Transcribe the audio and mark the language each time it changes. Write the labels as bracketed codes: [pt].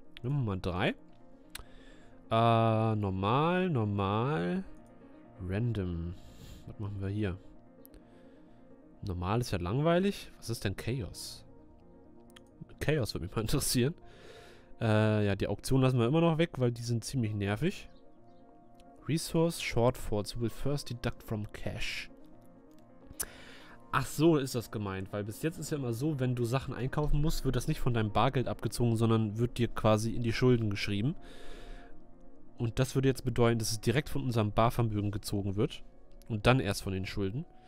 [de] Nehmen wir mal 3. Normal, normal. Random. Was machen wir hier? Normal ist ja langweilig. Was ist denn Chaos? Chaos würde mich mal interessieren. Ja, die Auktion lassen wir immer noch weg, weil die sind ziemlich nervig. [en] Resource Shortfalls will first deduct from cash. [de] Ach so, ist das gemeint, weil bis jetzt ist ja immer so, wenn du Sachen einkaufen musst, wird das nicht von deinem Bargeld abgezogen, sondern wird dir quasi in die Schulden geschrieben. Und das würde jetzt bedeuten, dass es direkt von unserem Barvermögen gezogen wird und dann erst von den Schulden.